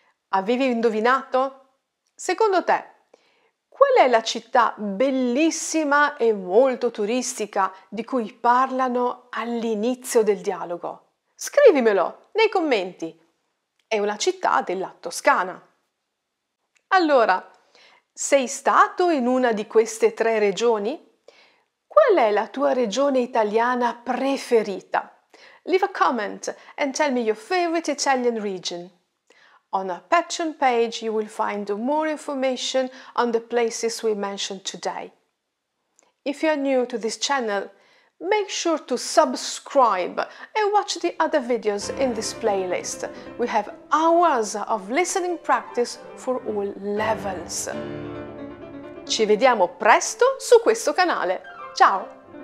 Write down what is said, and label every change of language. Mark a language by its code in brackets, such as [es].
[it] Avevi indovinato? Secondo te, qual è la città bellissima e molto turistica di cui parlano all'inizio del dialogo? Scrivimelo nei commenti. È una città della Toscana. Allora, sei stato in una di queste tre regioni? Qual è la tua regione italiana preferita? [en] Leave a comment and tell me your favorite Italian region. On our Patreon page you will find more information on the places we mentioned today. If you are new to this channel, make sure to subscribe and watch the other videos in this playlist. We have hours of listening practice for all levels. [it] Ci vediamo presto su questo canale. Ciao!